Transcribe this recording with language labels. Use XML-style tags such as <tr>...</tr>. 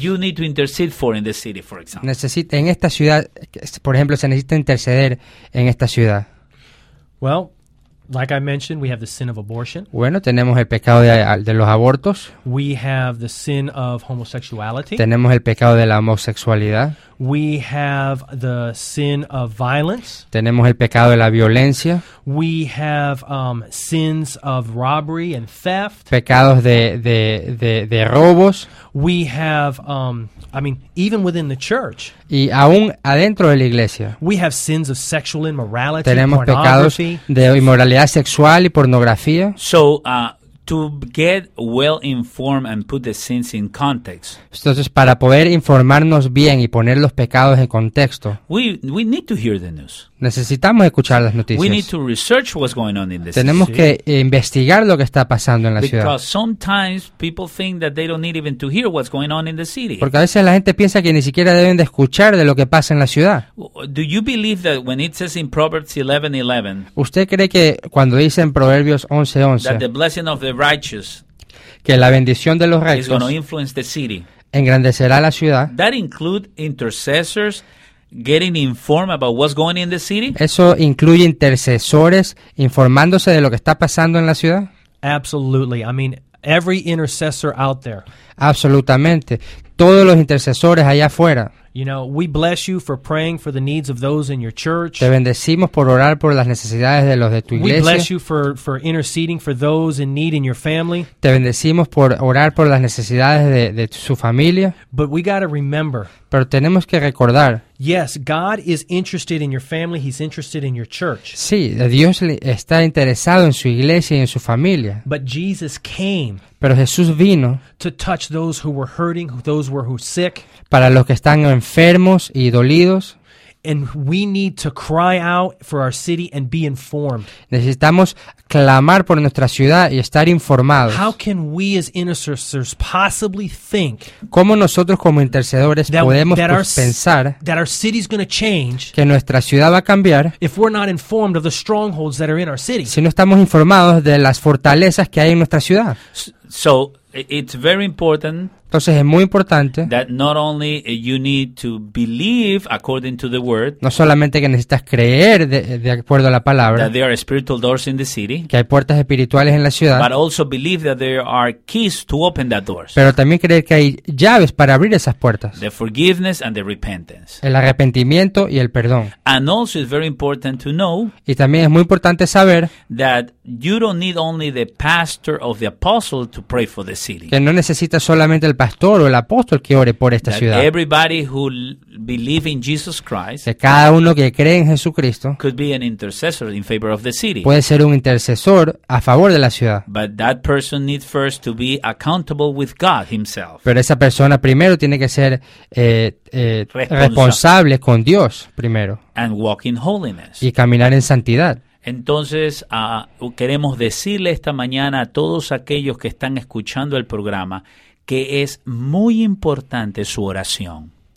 <en>You need to intercede for in the city, for example.</en> <es>Necesita en esta ciudad, por ejemplo, se necesita interceder en esta ciudad.</es> <en>Well, like I mentioned, we have the sin of abortion.</en> <es>Bueno, tenemos el pecado de los abortos.</es> <en>We have the sin of homosexuality.</en> <es>Tenemos el pecado de la homosexualidad.</es> <en>We have the sin of violence.</en> <es>Tenemos el pecado de la violencia.</es> <en>We have sins of robbery and theft.</en> <es>Pecados de robos.</es> <en>We have even within the church.</en> <es>Y aún adentro de la iglesia.</es> <en>We have sins of sexual immorality.</en> <es>Tenemos pecados de inmoralidad sexual y pornografía.</es> <en>So to get well informed and put the sins in context.</en> <es>Entonces, para poder informarnos bien y poner los pecados en contexto.</es> <en>We need to hear the news.</en> <es>Necesitamos escuchar las noticias.</es> <en>We need to research what's going on in the city.</en> <es>Tenemos que investigar lo que está pasando en la ciudad.</es> <en>Because sometimes people think that they don't need even to hear what's going on in the city.</en> <es>Porque a veces la gente piensa que ni siquiera deben de escuchar de lo que pasa en la ciudad.</es> <en>Do you believe that when it says in Proverbs 11:11?</en> <es>¿Usted cree que cuando dice en Proverbios 11:11</es> <en>that the blessing of the righteous</en> <es>que la bendición de los rectos</es> <en>is going to influence the city?</en> <es>Engrandecerá la ciudad.</es> <en>That include intercessors getting informed about what's going in the city?</en> <es>¿Eso incluye intercesores informándose de lo que está pasando en la ciudad?</es> <en>Absolutely. I mean, every intercessor out there.</en> <es>Absolutamente. Todos los intercesores allá afuera.</es> <en>You know, we bless you for praying for the needs of those in your church.</en> <es>Te bendecimos por orar por las necesidades de los de tu iglesia.</es> <en>We bless you for interceding for those in need in your family.</en> <es>Te bendecimos por orar por las necesidades de su familia.</es> <en>But we got to remember.</en> <es>Pero tenemos que recordar.</es> <en>Yes, God is interested in your family. He's interested in your church.</en> <es>Sí, Dios está interesado en su iglesia y en su familia.</es> <en>But Jesus came.</en> <es>Pero Jesús vino.</es> <en>To touch those who were hurting, those who were sick.</en> <es>Para los que están enfermos y dolidos.</es> <en>And we need to cry out for our city and be informed.</en> <es>Necesitamos clamar por nuestra ciudad y estar informados.</es> <en>How can we as intercessors possibly think?</en> <es>¿Cómo nosotros como intercedores podemos pensar</es> <en>that our city's going to change?</en> <es>Que nuestra ciudad va a cambiar.</es> <en>If we're not informed of the strongholds that are in our city.</en> <es>Si no estamos informados de las fortalezas que hay en nuestra ciudad.</es> <en>So it's very important.</en> <es>Entonces es muy importante</es> <en>that not only you need to believe according to the word,</en> <es>no solamente que necesitas creer de acuerdo a la palabra,</es> <en>that there are spiritual doors in the city,</en> <es>que hay puertas espirituales en la ciudad,</es> <en>but also believe that there are keys to open that doors,</en> <es>pero también creer que hay llaves para abrir esas puertas,</es> <en>the forgiveness and the repentance,</en> <es>el arrepentimiento y el perdón.</es> <en>And also it's very important to know,</en> <es>y también es muy importante saber</es> <en>that you don't need only the pastor of the apostle to pray for the city,</en> <es>que no necesitas solamente el pastor o el apóstol que ore por esta ciudad.</es> <en>Everybody who believe in Jesus Christ,</en> <es>que cada uno que cree en Jesucristo</es> <en>could be an intercessor in favor of the city.</en> <es>Puede ser un intercesor a favor de la ciudad.</es> <en>But that person need first to be accountable with God himself.</en> <es>Pero esa persona primero tiene que ser responsable con Dios primero.</es> <en>And walk in holiness.</en> <es>Y caminar en santidad. Entonces, queremos decirle esta mañana a todos aquellos que están escuchando el programa que es muy importante su oración.</es>